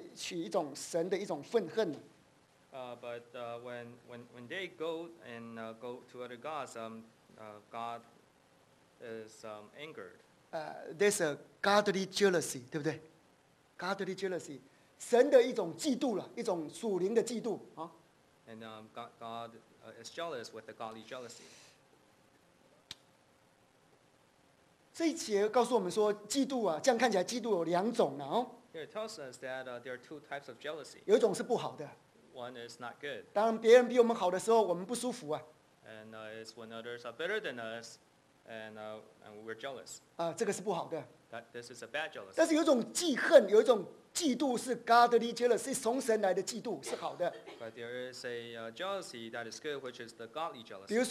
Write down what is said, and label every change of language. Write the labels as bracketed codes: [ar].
[zh] 那神对他们所起的一种愤恨，就是是什么呢？当他们的心偏向于邪的时候呢，第三节说的呢，那么保罗就会取一种神的一种愤恨。 [en] But when they go and go to other gods, God is angered. There's a godly jealousy, [zh] 对不对? [en] Godly jealousy, [zh] 神的一种嫉妒了，一种属灵的嫉妒。 [en] And God is jealous with the godly jealousy. [zh] 这一节告诉我们说，嫉妒啊，这样看起来嫉妒有两种了。 [en] Here it tells us that there are two types of jealousy. [zh] 有一种是不好的。 [en] One is not good. [zh] 当别人比我们好的时候，我们不舒服啊。 [en] And it's when others are better than us, and we're jealous. [zh] 这个是不好的。 [en] This is a bad jealousy. [zh] 但是有一种记恨，有一种嫉妒是 [en] godly jealousy， [zh] 是从神来的嫉妒，是好的。 [en] But there is a jealousy that is good, which is the godly jealousy.